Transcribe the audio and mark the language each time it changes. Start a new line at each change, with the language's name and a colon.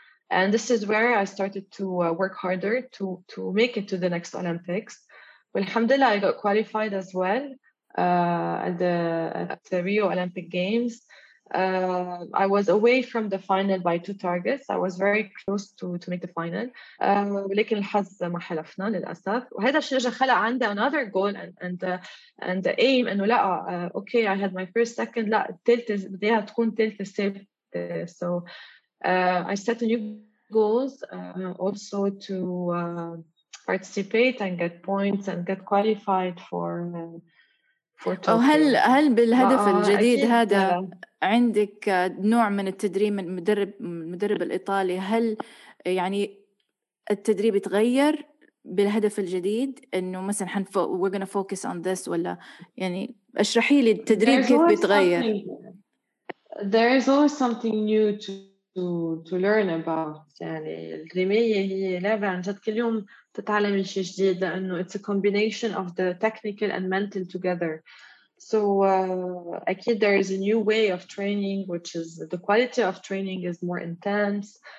English: And this is where I started to work harder to make it to the next Olympics. Alhamdulillah, I got qualified as well at the Rio Olympic Games. I was away from the final by two targets. I was very close to make the final.
Arabic: ولكن الحظ ما حلفنا للأسف. وهذا الشيء جا خلق عندي another goal and the aim أنه لا, okay, I had my first, second, لا, الثالثة, بديها تكون ثالثة سابقة.
English: So I set a new goals also to... participate and get points and get qualified for Tokyo.
Arabic: هل بالهدف الجديد هذا عندك نوع من التدريب من المدرب الإيطالي هل يعني التدريب يتغير بالهدف الجديد إنه مثلا we're gonna focus on this ولا يعني اشرحي لي التدريب كيف بيتغير
English: There is always something new to to learn about.
Arabic: يعني الرماية هي لعبة عن جد كل يوم تتعلم شيء جديد, لأنه it's a combination of the technical and mental together.
English: So أكيد there is a new way of training, which is the quality of training is more intense.